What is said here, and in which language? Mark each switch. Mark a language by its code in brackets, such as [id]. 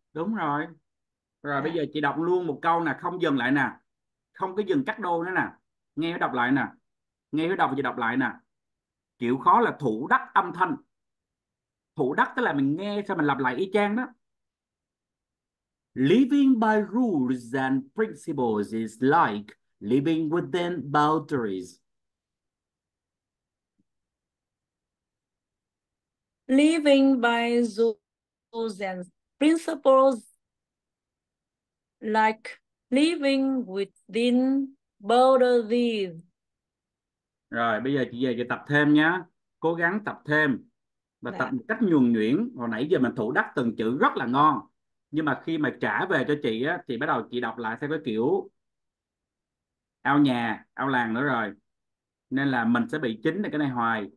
[vi] Đúng rồi. Rồi bây [en] Yeah. [vi] giờ chị đọc luôn một câu nè, không dừng lại nè. Không có dừng cắt đôi nữa nè. Nghe đọc lại nè. Nghe cái đọc chị đọc lại nè. Chịu khó là thủ đắc âm thanh. Thủ đắc tức là mình nghe xong mình lặp lại y chang đó. [en] Living by rules and principles is like living within boundaries. Living by rules and principles like living within boundaries. [vi] Rồi bây giờ chị về chị tập thêm nhé, cố gắng tập thêm và tập Dạ. một cách nhuần nhuyễn. Hồi nãy giờ mình thủ đắc từng chữ rất là ngon, nhưng mà khi mà trả về cho chị á thì bắt đầu chị đọc lại theo cái kiểu ao nhà ao làng nữa rồi, nên là mình sẽ bị chính là cái này hoài.